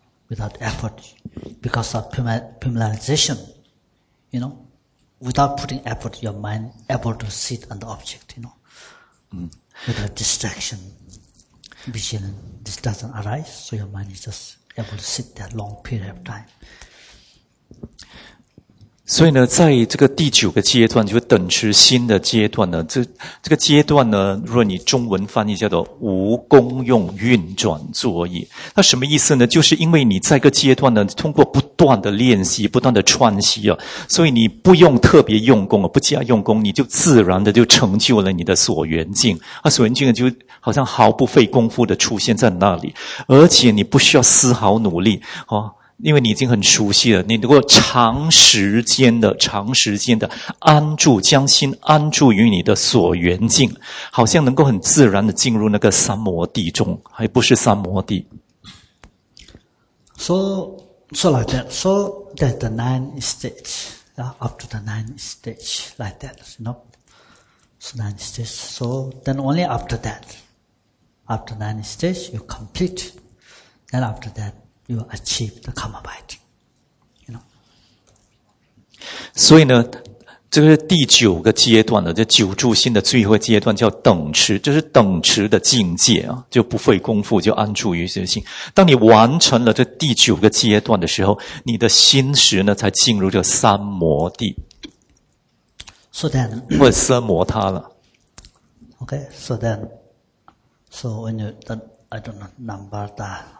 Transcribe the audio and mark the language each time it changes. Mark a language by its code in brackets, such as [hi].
[en] Without effort, because of familiarization, you know, without putting effort, your mind able to sit on the object, you know, without distraction, vision, this doesn't arise, so your mind is just able to sit there long period of time. [zh] 所以呢，在这个第九个阶段，就是等持心的阶段呢，这个阶段呢，如果你中文翻译叫做无功用运转作业，那什么意思呢？就是因为你在这个阶段呢，通过不断的练习、不断的串习啊，所以你不用特别用功啊，不加用功，你就自然的就成就了你的所缘境，那所缘境就好像毫不费功夫的出现在那里，而且你不需要丝毫努力啊。因为你已经很熟悉了，你能够长时间的安住，将心安住于你的所缘境，好像能够很自然的进入那个三摩地中，还不是三摩地。 [en] So like that. So that the nine stage, up to the nine stage, like that, you know. So nine stage. So then only after that, after nine stage, you complete. Then after that. You achieve the karma biting, you know. [zh] 所以呢，这个是第九个阶段的，这九住心的最后阶段叫等持，这是等持的境界啊，就不费功夫就安住于这心。当你完成了这第九个阶段的时候，你的心识呢才进入这三摩地。 [en] So then, [zh] 或奢摩他了。 [en] Okay, so then, so when you the I don't know number that.